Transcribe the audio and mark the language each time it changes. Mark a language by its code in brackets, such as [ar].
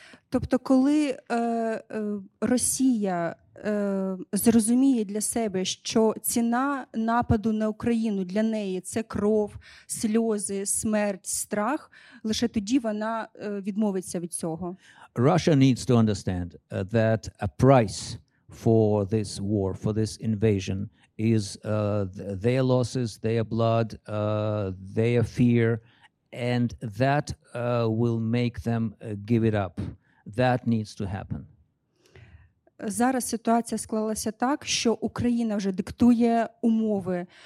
[uk] Тобто коли Росія зрозуміє для себе, що ціна нападу на Україну для неї це кров, сльози, смерть, страх, лише тоді вона відмовиться від цього. [en] Russia needs to understand that a price for this war, for this invasion is their losses, their blood, their fear, and that will make them give it up. That needs to happen. [uk] Зараз ситуація склалася так, що Україна вже диктує умови.